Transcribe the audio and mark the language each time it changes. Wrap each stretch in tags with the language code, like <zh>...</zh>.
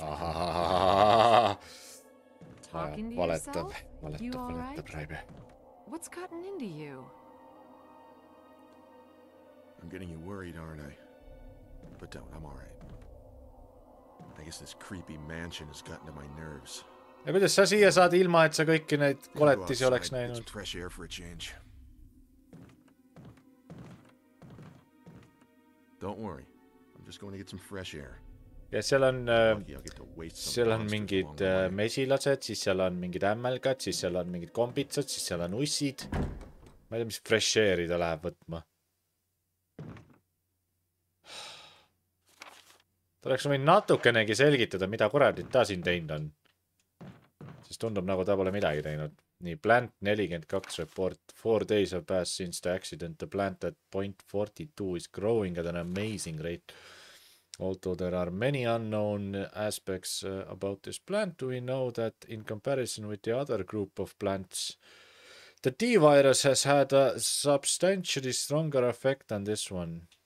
<en>Talking to yourself? You alright? What's gotten into you? I'm getting you worried, aren't I? But don't, I'm alright. I guess this creepy mansion has gotten to my nerves.</en> <et>Ja kuidas sa siia saad ilma, et sa kõiki neid koletisi oleks näinud?</et> <en>It's fresh air for a change. Don't worry. I'm just going to get some fresh air.</en> <et>Ja seal on mingid mesilased, siis seal on mingid ämmelgad, siis seal on mingid kombitsad, siis seal on ussid. Ma ei tea, mis fresh airi ta läheb võtma. Ta oleks võin natukenegi selgitada, mida kuradit ta siin teinud on. siis tundub nagu ta pole midagi teinud.</et> <en>Nii, plant 42 report, 4 days have passed since the accident, the plant at point 42 is growing at an amazing rate. Although there are many unknown aspects about this plant, we know that in comparison with the other group of plants, the T-virus has had a substantially stronger effect on this one.</en>